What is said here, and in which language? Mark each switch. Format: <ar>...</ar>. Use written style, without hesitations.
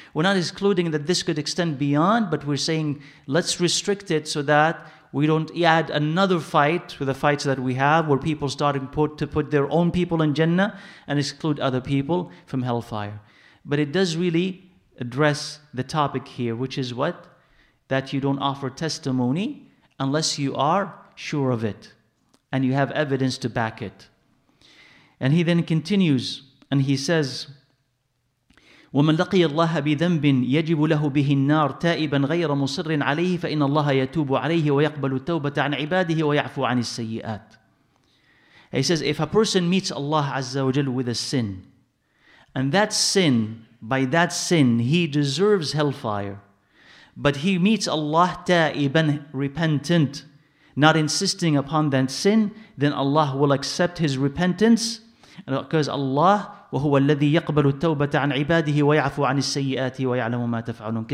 <en>We're not excluding that this could extend beyond, but we're saying let's restrict it so that we don't add another fight to the fights that we have where people starting to put their own people in Jannah and exclude other people from hellfire. But it does really address the topic here, which is what? That you don't offer testimony unless you are sure of it and you have evidence to back it. And he then continues and he says,</en> <ar>وَمَنْ لَقِيَ اللَّهَ بِذَنْبٍ يَجِبُ لَهُ بِهِ النَّارِ تَائِبًا غَيْرَ مُصِرٍ عَلَيْهِ فَإِنَّ اللَّهَ يَتُوبُ عَلَيْهِ وَيَقْبَلُ التَّوْبَةَ عَنْ عِبَادِهِ وَيَعْفُ عَنِ السَّيِّئَاتِ.</ar> <en>He says, if a person meets Allah Azza wa Jal with a sin, and that sin, by that sin, he deserves hellfire, but he meets Allah تَائِبًا repentant, not insisting upon that sin, then Allah will accept his repentance, because Allah</en> <ar>وَهُوَ الَّذِي يَقْبَلُ التَّوْبَةَ عَنْ عِبَادِهِ وَيَعْفُ عَنِ السَّيِّئَاتِ وَيَعْلَمُ مَا تَفْعَلُونَ.</ar>